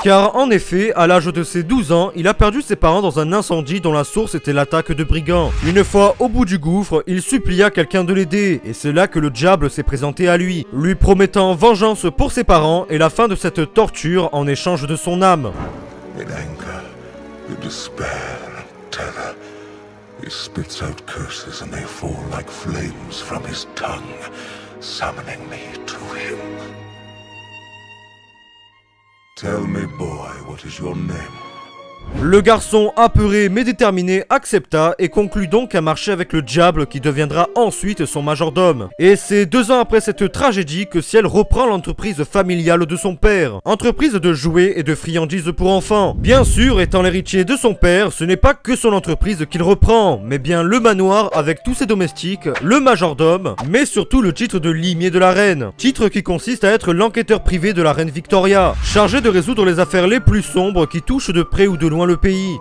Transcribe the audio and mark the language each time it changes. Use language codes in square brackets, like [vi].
[fr] Car en effet, à l'âge de ses 12 ans, il a perdu ses parents dans un incendie dont la source était l'attaque de brigands. Une fois au bout du gouffre, il supplia quelqu'un de l'aider, et c'est là que le diable s'est présenté à lui, lui promettant vengeance pour ses parents et la fin de cette torture en échange de son âme. [en] In anger, in despair, in terror. He spits out curses and they fall like flames from his tongue, summoning me to him. Tell me, boy, what is your name? [fr] Le garçon, apeuré mais déterminé, accepta et conclut donc à marcher avec le diable qui deviendra ensuite son majordome. Et c'est 2 ans après cette tragédie que Ciel reprend l'entreprise familiale de son père, entreprise de jouets et de friandises pour enfants. Bien sûr, étant l'héritier de son père, ce n'est pas que son entreprise qu'il reprend, mais bien le manoir avec tous ses domestiques, le majordome, mais surtout le titre de limier de la reine, titre qui consiste à être l'enquêteur privé de la reine Victoria, chargé de résoudre les affaires les plus sombres qui touchent de près ou de loin le pays.